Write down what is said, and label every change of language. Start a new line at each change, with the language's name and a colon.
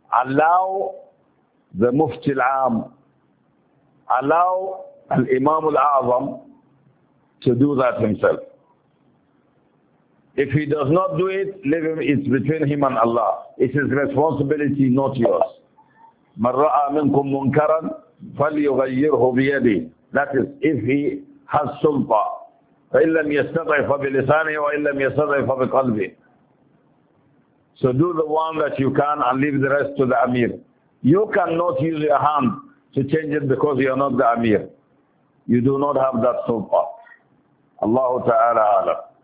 English: Allow the Mufti al-Aam, allow al-Imam al-A'zam to do that himself. If he does not do it, leave him, it's between him and Allah. It's his responsibility, not yours.
Arabic: مَنْ رَأَى مِنْكُمْ مُنْكَرًا فَلْيُغَيِّرْهُ بِيَدِهِ.
English: That is, if he has sulta,
Arabic: فَإِنْ لَمْ يَسْتَطِعْ فَبِلِسَانِهِ وَإِنْ لَمْ يَسْتَطِعْ فَبِقَلْبِهِ.
English: So do the one that you can and leave the rest to the Amir. You cannot use your hand to change it because you are not the Amir. You do not have that sulta. Allah Ta'ala alam.